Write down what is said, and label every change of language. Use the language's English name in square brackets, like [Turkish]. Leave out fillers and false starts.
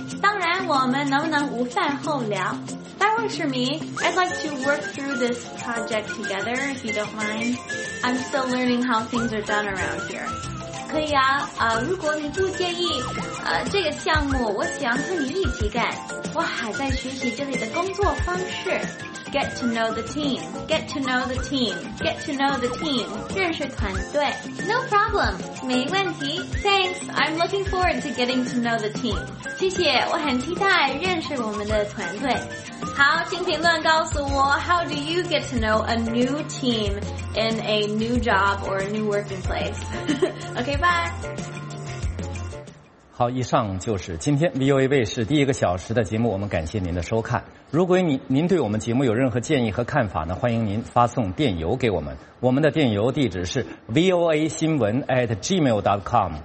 [Chinese] 当然，我们能不能午饭后聊？ [English] That works for me. I'd like to work through this project together, if you don't mind. I'm still learning how things are done around here. [Chinese] 可以啊，如果你不介意，这个项目我想和你一起干，我还在学习这里的工作方式。 [English] Get to know the team, get to know the team, get to know the team, [Chinese] 认识团队。 [English] No problem, [Chinese] 没问题。 [English] Thanks, I'm looking forward to getting to know the team. [Chinese] 谢谢，我很期待认识我们的团队。好，请评论告诉我 [English] ,How do you get to know a new team in a new job or a new working place? OK, bye! [Chinese] 好，以上就是今天 VOA 卫视第一个小时的节目，我们感谢您的收看。如果您对我们节目有任何建议和看法呢，欢迎您发送电邮给我们。我们的电邮地址是 voasinwen@gmail.com。